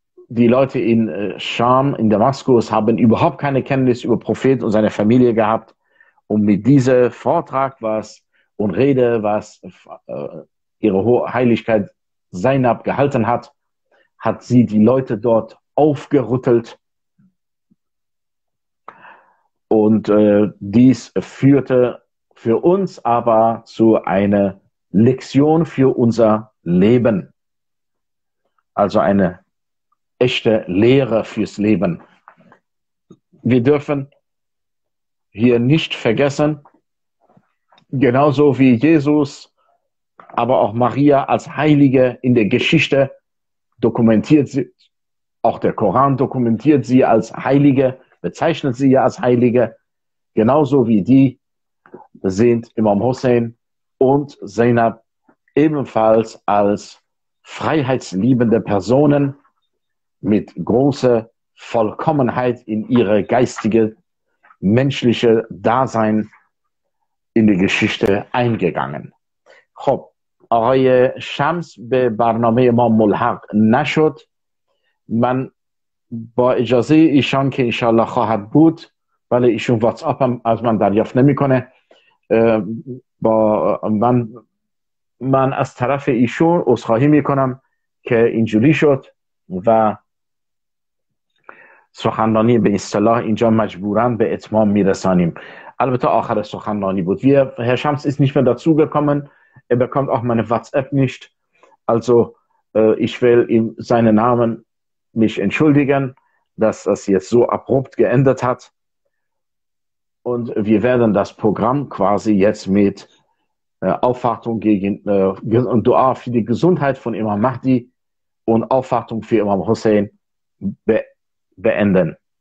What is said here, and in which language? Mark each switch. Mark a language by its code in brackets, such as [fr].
[de] die Leute in Scham in Damaskus haben überhaupt keine Kenntnis über Prophet und seine Familie gehabt und mit diesem Vortrag was und Rede was ihre Heiligkeit Zainab gehalten hat, hat sie die Leute dort aufgerüttelt. Und dies führte für uns aber zu einer Lektion für unser Leben. Also eine echte Lehre fürs Leben. Wir dürfen hier nicht vergessen, genauso wie Jesus, aber auch Maria als Heilige in der Geschichte dokumentiert sie, auch der Koran dokumentiert sie als Heilige, bezeichnet sie ja als Heilige, genauso wie die sind Imam Hussein und Zainab ebenfalls als freiheitsliebende Personen mit großer Vollkommenheit in ihre geistige, menschliche Dasein in die Geschichte eingegangen. Hopp. [fa] آقای شمس به برنامه ما ملحق نشد من با اجازه ایشان که انشالله خواهد بود ولی ایشون واتساپ هم از من دریافت نمی کنه با من از طرف ایشون عذرخواهی می کنم که اینجوری شد و سخنرانی به اصطلاح اینجا مجبورن به اتمام می رسانیم البته آخر سخنرانی بود [de] هر شمس ایست نیش من دازو گکومن Er bekommt auch meine WhatsApp nicht. Also ich will ihm seinen Namen mich entschuldigen, dass das jetzt so abrupt geändert hat. Und wir werden das Programm quasi jetzt mit Aufwartung gegen und Dua für die Gesundheit von Imam Mahdi und Aufwartung für Imam Hussein beenden.